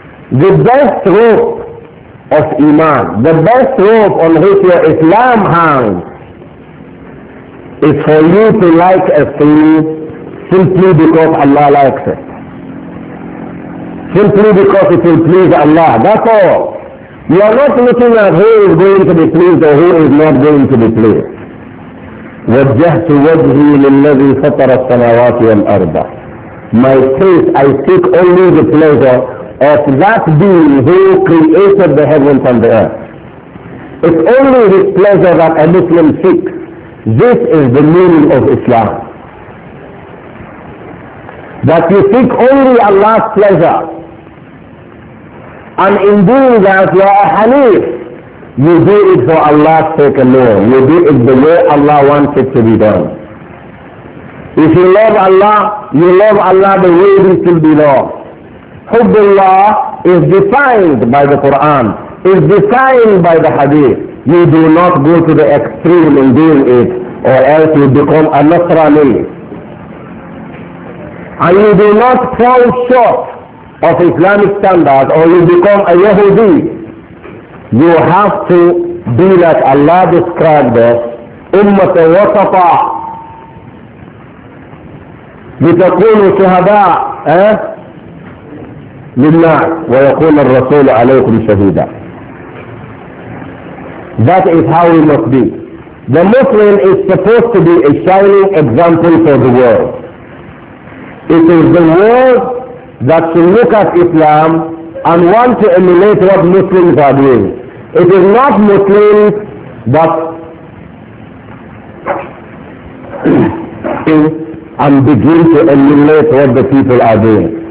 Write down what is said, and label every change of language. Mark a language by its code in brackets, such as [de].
[en] The best rope of Iman, the best rope on which your Islam hangs, is for you to like a thing simply because Allah likes it. Simply because it will please Allah, that's all. You are not looking at who is going to be pleased or who is not going to be pleased. [ar] وجهت وجهي للذي فطر السماوات والأرض. [en] My face, I seek only the pleasure of that being who created the heavens and the earth. It's only his pleasure that a Muslim seeks. This is the meaning of Islam. That you seek only Allah's pleasure. And in doing that, you are a Hanif. You do it for Allah's sake alone. You do it the way Allah wants it to be done. If you love Allah, you love Allah the way He should be loved. Hubbullah is defined by the Quran, is defined by the Hadith. You do not go to the extreme in doing it, or else you become a Nasrani. And you do not fall short of Islamic standards, or you become a Yahudi. You have to be like Allah described us, Ummat al-Wasata. [ar] لتكونوا شهداء للناس ويكون الرسول عليكم شهيدا. [en] That is how we must be. The Muslim is supposed to be a shining example for the world. It is the world that should look at Islam and want to emulate what Muslims are doing. It is not Muslims that and begin to emulate what the people are doing.